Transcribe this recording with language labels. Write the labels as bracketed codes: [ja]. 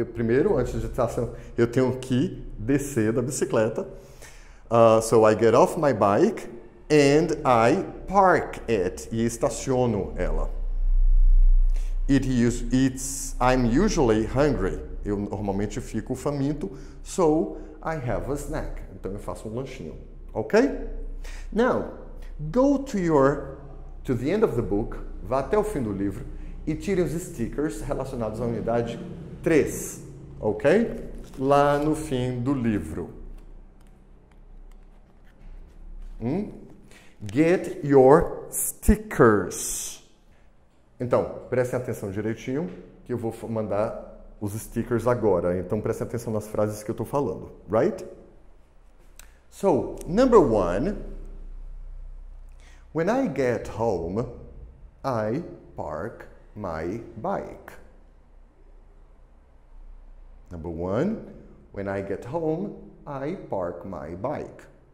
[pt] Primeiro, antes de estar, eu tenho que descer da bicicleta. [en] So I get off my bike and I park it. [pt] E estaciono ela. [en] I'm usually hungry. [pt] Eu normalmente fico faminto. [en] So I have a snack. [pt] Então eu faço um lanchinho. Ok? [en] Now, go to your... To the end of the book. [pt] Vá até o fim do livro. E tire os stickers relacionados à unidade 3, ok? Lá no fim do livro. [en] Get your stickers. [pt] Então, prestem atenção direitinho, que eu vou mandar os stickers agora. Então, prestem atenção nas frases que eu estou falando, right? [en] So, number one. When I get home, I park my bike. Number one, when I get home, I park my bike.